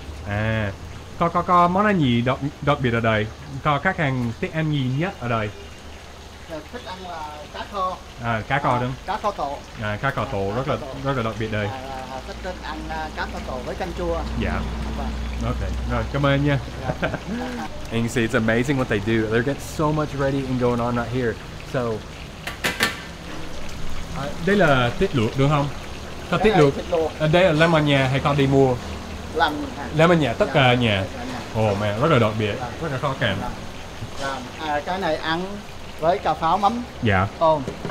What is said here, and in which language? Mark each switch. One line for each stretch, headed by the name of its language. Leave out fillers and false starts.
Vietnamese: À. Có món ăn gì đặc biệt ở đây? Có khách hàng thích ăn gì nhất ở đây? Thích ăn là cá kho. À, cá kho đúng. Cá kho tổ. À, cá kho tổ, à, rất là đặc biệt đây. À, thích ăn cá kho tổ với canh chua. Dạ. Ok, rồi, cảm ơn nha.
English: And you see, it's amazing what they do. They're getting so much ready and going on right here. So...
Vietnamese: đây là thịt luộc đúng không? Có thịt luộc. Đây là làm ở nhà hay có đi mua? Làm ở nhà, tất cả nhà. Ồ, mẹ, rất là đặc biệt, rất là khó khăn. Cái này ăn với cà pháo mắm. Dạ. Tôm.